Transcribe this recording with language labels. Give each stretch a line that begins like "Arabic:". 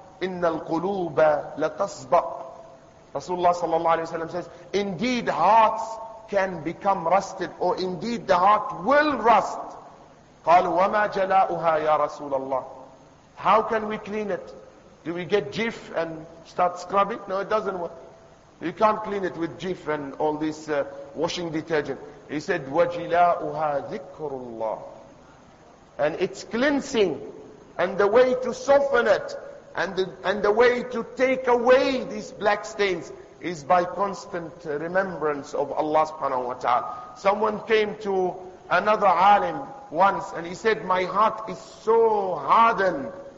Arabic: إِنَّ الْقُلُوبَ لَتَصْبَأ.
English: Rasulullah sallallahu alayhi wa sallam says, indeed hearts can become rusted, or indeed the heart will rust.
Arabic: قَالُوا وَمَا جَلَاؤُهَا يَا رَسُولَ اللَّهِ.
English: How can we clean it? Do we get jiff and start scrubbing? No, it doesn't work. You can't clean it with jiff and all this washing detergent. He said,
Arabic: وَجِلَاؤُهَا ذِكْرُ اللَّهِ.
English: And it's cleansing. And the way to soften it, and the way to take away these black stains, is by constant remembrance of Allah subhanahu wa ta'ala. Someone came to another alim once, and he said, my heart is so hardened.